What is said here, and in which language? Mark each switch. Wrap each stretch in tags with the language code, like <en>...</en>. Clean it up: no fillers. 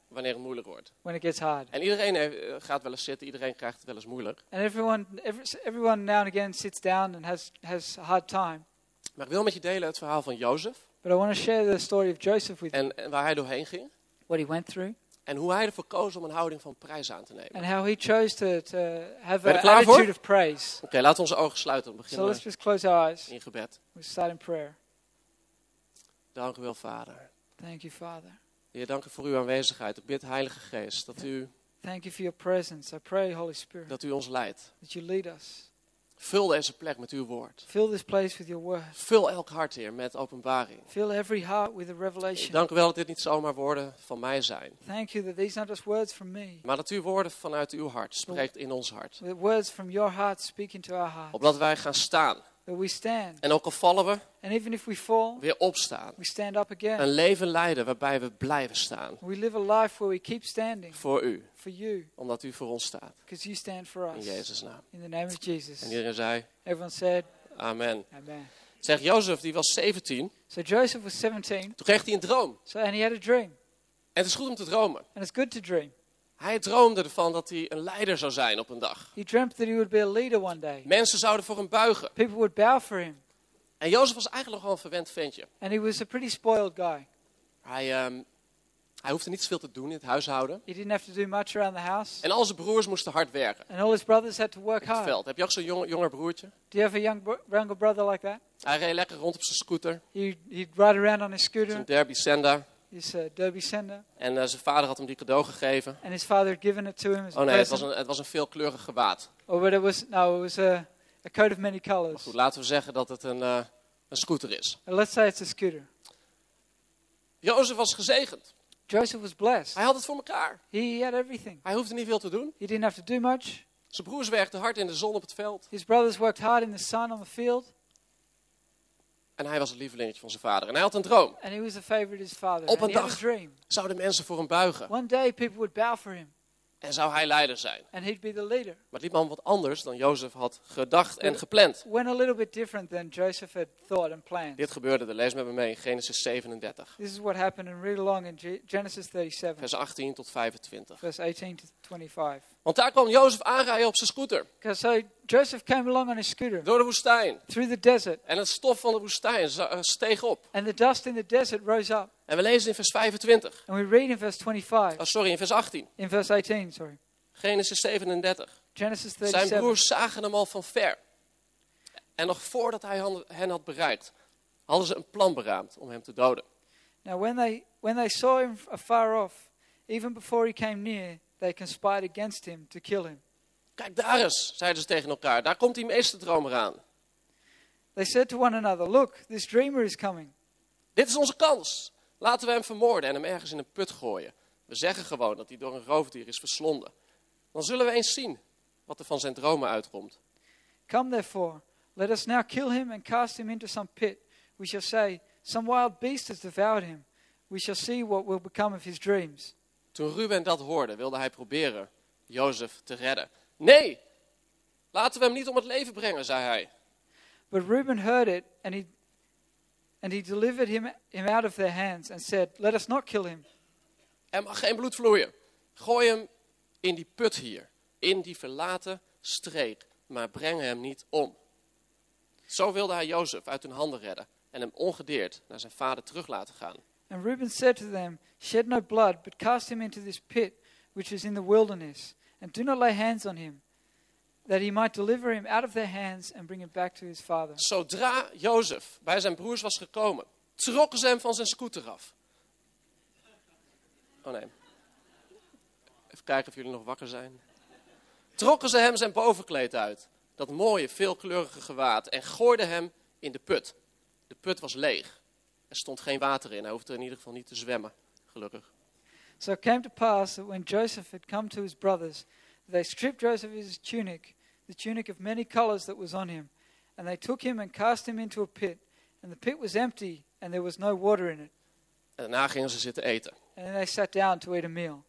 <nl>Wanneer het moeilijk wordt.</nl> <en>When it gets hard.</en> <nl>En iedereen gaat wel eens zitten, iedereen krijgt het wel eens moeilijk.</nl> <en>And everyone now and again sits down and has a hard time.</en> <nl>Maar ik wil met je delen het verhaal van Jozef.</nl> <en>But I want to share the story of Joseph with you.</en> <nl>En waar hij doorheen ging.</nl> <en>What he went through.</en> <nl>En hoe hij ervoor koos om een houding van prijs aan te nemen.</nl> <en>And how he chose to have an attitude</en> <nl>voor?</nl> <en>Of praise.</en> <nl>Oké, laten we onze ogen sluiten. Beginnen</nl> <en>so let's just close our eyes.</en> <nl>In gebed.</nl> <en>We start in prayer.</en> <nl>Dank u wel, Vader.</nl> <en>Thank you, Father.</en> <nl>Heer, dank u voor uw aanwezigheid. Ik bid, Heilige Geest, dat u.</nl> <en>Thank you for your presence. I pray, Holy Spirit.</en> <nl>Dat u ons leidt.</nl> <en>That you lead us.</en> <nl>Vul deze plek met uw woord.</nl> <en>Fill this place with your word.</en> <nl>Vul elk hart, Heer, met openbaring.</nl> <en>Fill every heart with a revelation.</en> <nl>Dank u wel dat dit niet zomaar woorden van mij zijn.</nl> <en>Thank you that these aren't just words from me.</en> <nl>Maar dat u woorden vanuit uw hart spreekt in ons hart.</nl> <en>The words from your heart speak into our heart.</en> <nl>Opdat wij gaan staan.</nl> <en>That we stand.</en> <nl>En ook al vallen we.</nl> <en>And even if we fall,</en> <nl>weer opstaan.</nl> <en>We stand up again.</en> <nl>Een leven leiden waarbij we blijven staan.</nl> <en>We live a life where we keep standing.</en> <nl>Voor u.</nl> <en>For you.</en> <nl>Omdat u voor ons staat.</nl> <en>Because you stand for us.</en> <nl>In Jezus naam.</nl> <en>In the name of Jesus.</en> <nl>En iedereen zei.</nl> <en>Everyone said.</en> <nl>Amen.</nl> <en>Amen.</en> <nl>Zeg Jozef, die was 17.</nl> <en>So Joseph was 17.</en> <nl>Toen kreeg hij een droom.</nl> <en>So and he had a dream.</en> <nl>En het is goed om te dromen.</nl> <en>And it's good to dream.</en> <nl>Hij droomde ervan dat hij een leider zou zijn op een dag.</nl> <en>He dreamt that he would be a leader one day.</en> <nl>Mensen zouden voor hem buigen.</nl> <en>People would bow for him.</en> <nl>En Jozef was eigenlijk gewoon een verwend ventje.</nl> <en>And he was a pretty spoiled guy.</en> <nl>Hij hoefde niet zoveel te doen in het huishouden.</nl> <en>He didn't have to do much around the house.</en> <nl>En al zijn broers moesten hard werken.</nl> <en>And all his brothers had to work</en> <nl>in het veld.</nl> <en>Hard.</en> <nl>Heb je ook zo'n jonger broertje?</nl> <en>Do you have a younger brother like that?</en> <nl>Hij reed lekker rond op zijn scooter.</nl> <en>He'd ride around on his scooter.</en> <nl>Zijn Derby Sender.</nl> <en>His Derby Sender.</en> <nl>En zijn vader had hem die cadeau gegeven.</nl> <en>And his father had given it to him as oh a</en> <nl>nee,</nl> <en>present.</en> <nl>Het was een veelkleurig gewaad.</nl> <en>Oh, but it was a coat of many colors.</en> <nl>Maar goed, laten we zeggen dat het een scooter is.</nl> <en>And let's say it's a scooter.</en> <nl>Jozef was gezegend.</nl> <en>Joseph was blessed.</en> <nl>Hij had het voor elkaar.</nl> <en>He had everything.</en> <nl>Hij hoefde niet veel te doen.</nl> <en>He didn't have to do much.</en> <nl>Zijn broers werkten hard in de zon op het veld.</nl> <en>His brothers worked hard in the sun on the field.</en> <nl>En hij was het lievelingetje van zijn vader. En hij had een droom.</nl> <en>And he was a favorite of his father.</en> <nl>Op een</nl> <en>and</en> <nl>dag</nl> <en>he had a dream.</en> <nl>Zouden mensen voor hem buigen.</nl> <en>One day people would bow for him.</en> <nl>En zou hij leider zijn.</nl> <en>And he'd be the leader.</en> <nl>Maar die man wat anders dan Jozef had gedacht en gepland.</nl> <en>Went a little bit different than Joseph had thought and planned.</en> <nl>Dit gebeurde, lees met me mee, in Genesis 37.</nl> <en>This is what happened and read along in Genesis 37.</en> <nl>Vers 18 tot 25.</nl> <en>Verse 18 to 25.</en> <nl>Want daar kwam Jozef aanrijden op zijn scooter.</nl> <en>So Joseph came along on his scooter.</en> <nl>Door de woestijn.</nl> <en>Through the desert.</en> <nl>En het stof van de woestijn steeg op.</nl> <en>And the dust in the desert rose up.</en> <nl>En we lezen in vers 25.</nl> <en>And we read in verse 25.</en> <nl>Oh sorry, in vers 18.</nl> <en>In verse 18, sorry.</en> <nl>Genesis 37.</nl> <en>Genesis 37.</en> <nl>Zijn broers zagen hem al van ver. En nog voordat hij hen had bereikt, hadden ze een plan beraamd om hem te doden.</nl> <en>Now when they saw him afar off, even before he came near, they conspired against him to kill him.</en> <nl>Kijk daar eens, zeiden ze tegen elkaar. Daar komt die meesterdromer aan.</nl> <en>They said to one another, look, this dreamer is coming.</en> <nl>Dit is onze kans. Laten we hem vermoorden en hem ergens in een put gooien. We zeggen gewoon dat hij door een roofdier is verslonden. Dan zullen we eens zien wat er van zijn dromen uitkomt.</nl> <en>Come therefore, let us now kill him and cast him into some pit. We shall say, some wild beast has devoured him. We shall see what will become of his dreams.</en> <nl>Toen Ruben dat hoorde, wilde hij proberen Jozef te redden. Nee, laten we hem niet om het leven brengen, zei hij.</nl> <en>But Reuben heard it and he delivered him out of their hands and said, let us not kill him.</en> <nl>Er mag geen bloed vloeien. Gooi hem in die put hier, in die verlaten streek, maar breng hem niet om. Zo wilde hij Jozef uit hun handen redden en hem ongedeerd naar zijn vader terug laten gaan.</nl> <en>And Reuben said to them, shed no blood, but cast him into this pit which is in the wilderness, and do not lay hands on him, that he might deliver him out of their hands and bring him back to his father.</en> <nl>Zodra Jozef bij zijn broers was gekomen, trokken ze hem van zijn scooter af. Oh nee. Even kijken of jullie nog wakker zijn. Trokken ze hem zijn bovenkleed uit, dat mooie, veelkleurige gewaad, en gooiden hem in de put. De put was leeg. Er stond geen water in. Hij hoefde in ieder geval niet te zwemmen, gelukkig.</nl> <en>So it came to pass that when Joseph had come to his brothers, they stripped Joseph of his tunic, the tunic of many colors that was on him, and they took him and cast him into a pit, and the pit was empty, and there was no water in it.</en> <nl>En daarna gingen ze zitten eten.</nl> <en>And then they sat down to eat a meal.</en>